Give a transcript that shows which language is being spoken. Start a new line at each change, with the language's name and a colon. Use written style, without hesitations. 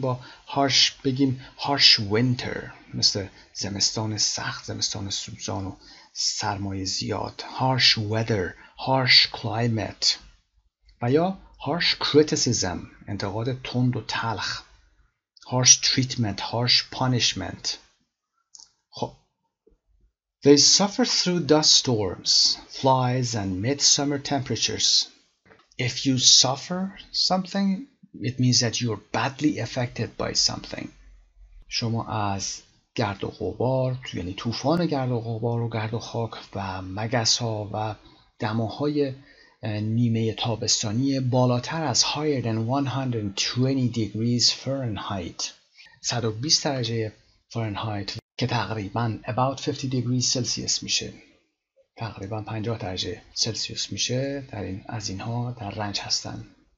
Persian: با harsh بگیم harsh winter، مثل زمستان سخت، زمستان سوزان و سرمایه زیاد.
English: harsh weather، harsh climate.
Persian: و یا harsh criticism، انتقاد تند و تلخ.
English: harsh treatment، harsh punishment. خب، they suffer through dust storms, flies and midsummer temperatures. If you suffer something, it means that you're badly affected by something.
Persian: شما از گرد و غبار، یعنی طوفان گرد و غبار و گرد و خاک و مگس ها و دماهای نیمه تابستانی بالاتر از
English: higher than 120 degrees Fahrenheit،
Persian: 120 درجه فارنهایت که تقریبا
English: about 50 degrees Celsius
Persian: میشه، تقریبا 50 درجه سلسیوس میشه، در این از اینها در رنج هستن.